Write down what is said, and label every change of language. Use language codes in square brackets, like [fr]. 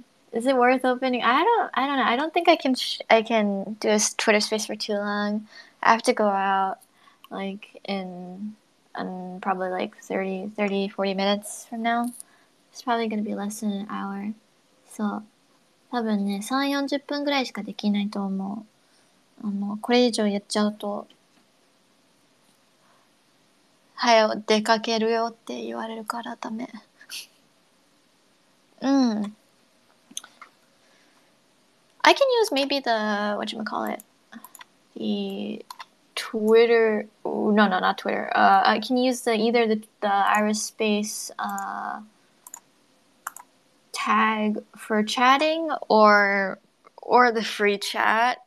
[en] Is it worth opening? I don't know. I don't think I can do a Twitter space for too long. I have to go out like in probably like 40 minutes from now. It's probably gonna be less than an hour. [ja] So, 多分ね、3、40分ぐらいしかできないと思う。これ以上やっちゃうと、早出かけるよって言われるからダメ。 [en] I can use maybe the, whatchamacallit, the Twitter, ooh, no, not Twitter. I can use either the Iris space tag for chatting or the free chat.